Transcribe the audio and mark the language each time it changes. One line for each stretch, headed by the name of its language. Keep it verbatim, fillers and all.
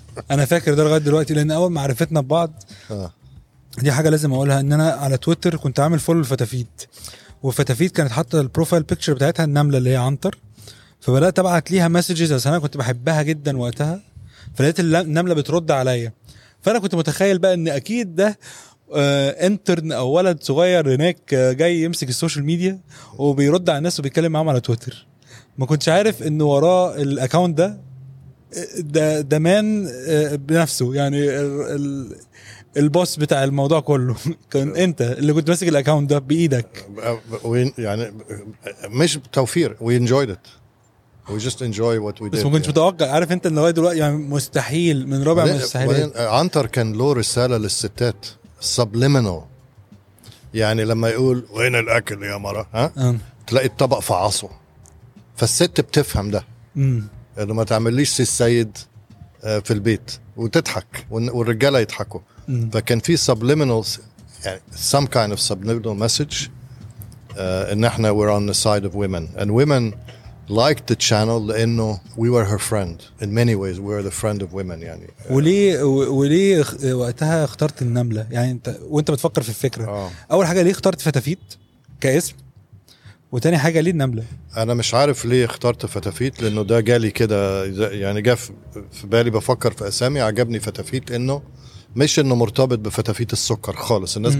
Arabic: أنا فاكر ده لغاية دلوقتي لأن أول ما عرفتنا ببعض دي حاجة لازم أقولها إن أنا على تويتر كنت عامل فولو الفتافيت والفتافيت كانت حاطة البروفايل بيكتشر بتاعتها النملة اللي هي عنتر فبدأت أبعت ليها مسجز عشان أنا كنت بحبها جدا وقتها فلقيت النملة بترد عليا فأنا كنت متخيل بقى إن أكيد ده انترن او ولد صغير هناك جاي يمسك السوشيال ميديا وبيرد على الناس وبيتكلم معاهم على تويتر. ما كنتش عارف انه وراه الاكاونت ده ده ده مان بنفسه يعني البوس بتاع الموضوع كله كان انت اللي كنت ماسك الاكاونت ده بايدك يعني مش توفير.
English: we enjoyed it we just enjoy what we did.
Arabic: بس ما كنتش متوقع عارف انت لغايه دلوقتي يعني مستحيل من ربع المستحيلات. عنتر كان له رساله للستات subliminal يعني لما يقول وين الاكل يا مرة ها أم. تلاقي الطبق فعصه فالست بتفهم ده امم انه ما تعمليش سي السيد في البيت وتضحك والرجاله يضحكوا. فكان في
English: subliminal يعني some kind of subliminal message uh,
Arabic: ان احنا
English: we're on the side of women and women liked the channel
Arabic: لأنه
English: we were her friend in many ways, we were the friend of women يعني.
Arabic: وليه وليه وقتها اخترت النملة يعني انت وانت بتفكر في الفكرة؟ أوه. اول حاجة ليه اخترت فتافيت كاسم, وتاني حاجة ليه النملة؟ انا مش عارف ليه اخترت فتافيت, لانه ده جالي كده يعني, جاء في بالي بفكر في اسامي, عجبني فتافيت انه مش انه مرتبط بفتافيت السكر خالص, الناس م.